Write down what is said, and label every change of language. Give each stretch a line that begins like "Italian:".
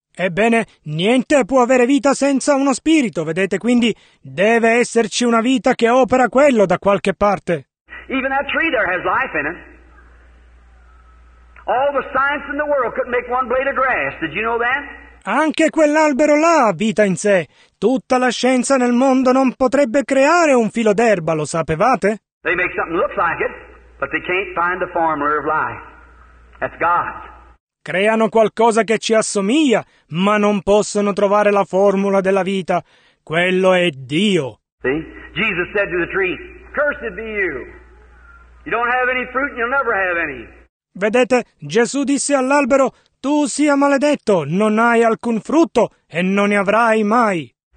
Italian: Ebbene, niente può avere vita senza uno spirito, vedete, quindi deve esserci una vita che opera quello da qualche parte.
English: Even that tree there has life in it. All the science in the world couldn't make one blade of grass, did you know that?
Italian: Anche quell'albero là ha vita in sé. Tutta la scienza nel mondo non potrebbe creare un filo d'erba, lo sapevate?
English: They make something look like it, but they can't find the formula of life. That's God.
Italian: Creano qualcosa che ci assomiglia, ma non possono trovare la formula della vita. Quello è Dio.
English: See? Jesus said to the tree, "Cursed be you. You don't have any fruit and you'll never have any."
Italian: Vedete, Gesù disse all'albero, tu sia maledetto, non hai alcun frutto e non ne avrai mai.